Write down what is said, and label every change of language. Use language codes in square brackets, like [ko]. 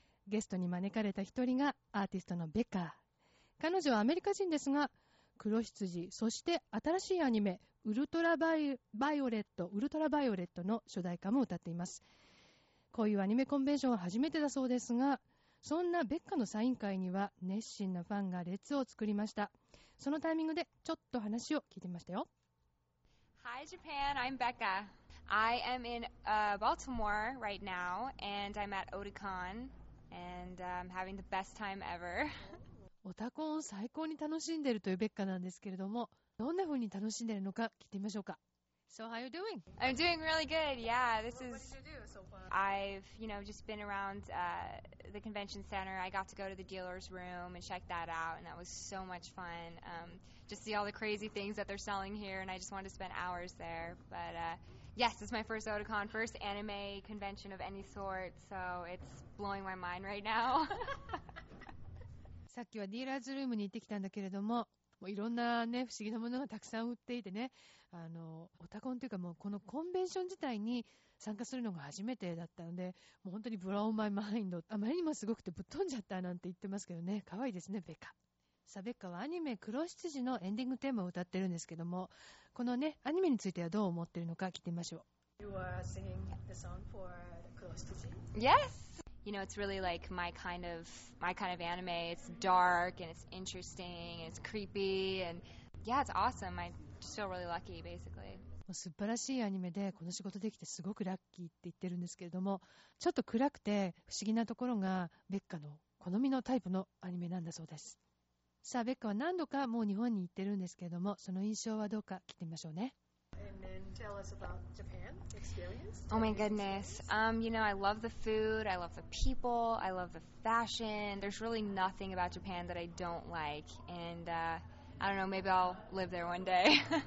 [ja] ゲストに招かれた一人がアーティストのベッカー。彼女はアメリカ人ですが、黒羊、そして新しいアニメウルトラバイオレットの主題歌も歌っています。こういうアニメコンベンションは初めてだそうですが、そんなベッカのサイン会には熱心なファンが列を作りました。そのタイミングでちょっと話を聞いてみましたよ。 [en] Hi Japan, I'm Becca. I am in、Baltimore right now and I'm at Otakon and I'm having the best time ever. [ja] オタコンを最高に楽しんでるというベッカなんですけれども、どんな風に楽しんでるのか聞いてみましょうか。 [en] So how are you doing? I'm doing really good. Yeah, this is. What did you do so far? I've, you know, just been around、the convention center. I got to go to the dealer's room and check that out, and that was so much fun.、just see all the crazy things that they're selling here, and I just wanted to spend hours there. But、yes, it's my first Otakon, first anime convention of any sort, so it's blowing my mind right now. [ja] さっきはディーラーズルームに行ってきたんだけれども、もういろんな、ね、不思議なものがたくさん売っていてね、あのオタコンというか、もうこのコンベンション自体に参加するのが初めてだったので、もう本当にブローマイマインド、あまりにもすごくてぶっ飛んじゃったなんて言ってますけどね。可愛いですね。ベカサベカはアニメ黒執事のエンディングテーマを歌ってるんですけども、このねアニメについてはどう思ってるのか聞いてみましょう。 [en] You are singing the song for 黒執事? Yes! You know, it's really like my kind of anime. It's dark and it's interesting and it's creepy and yeah, it's awesome. I'm still really lucky, basically. [ja] もう素晴らしいアニメでこの仕事できてすごくラッキーって言ってるんですけれども、ちょっと暗くて不思議なところがベッカの好みのタイプのアニメなんだそうです。さあ、ベッカは何度かもう日本に行ってるんですけれども、その印象はどうか聞いてみましょうね。 [en] And then tell us about Japan experience. Oh my goodness. You know, I love the food. I love the people. I love the fashion. There's really nothing about Japan that I don't like. And I don't know, maybe I'll live there one day.